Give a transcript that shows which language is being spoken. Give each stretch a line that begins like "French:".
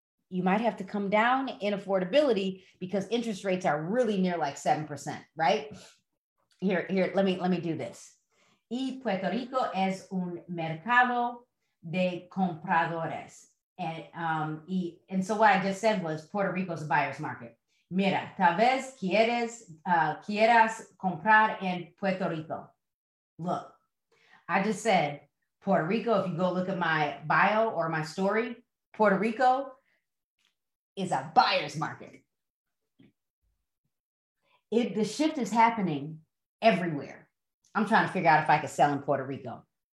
English: You might have to come down in affordability because interest rates are really near like 7%, right? Here, let me do this.
Spanish: Y Puerto Rico es un mercado de compradores.
English: And so what I just said was Puerto Rico's a buyer's market.
Spanish: Mira, tal vez quieras comprar en Puerto Rico.
English: Look, I just said Puerto Rico, if you go look at my bio or my story, Puerto Rico is a buyer's market. The shift is happening everywhere. I'm trying to figure out if I could sell in Puerto Rico.